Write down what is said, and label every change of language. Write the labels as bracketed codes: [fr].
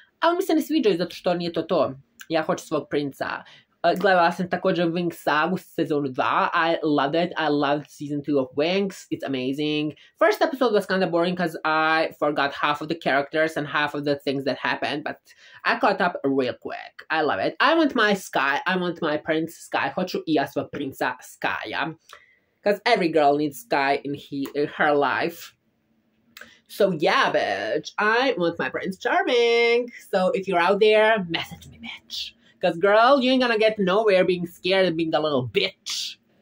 [hr] Ali mi se ne sviđaju zato što nije to to. Ja hoću svog princa. Gledala sam također Wings sagu sezonu 2. [en] I loved it. I loved season 2 of Wings. It's amazing. First episode was kind of boring because I forgot half of the characters and half of the things that happened. But I caught up real quick. I love it. I want my Sky. I want my prince Sky. [hr] Hoću i ja svog princa Skya. [en] Because every girl needs Sky in her life. So yeah, bitch. I want my prince charming. So if you're out there, message me, bitch. Because, girl, you ain't gonna get nowhere being scared of being a little bitch.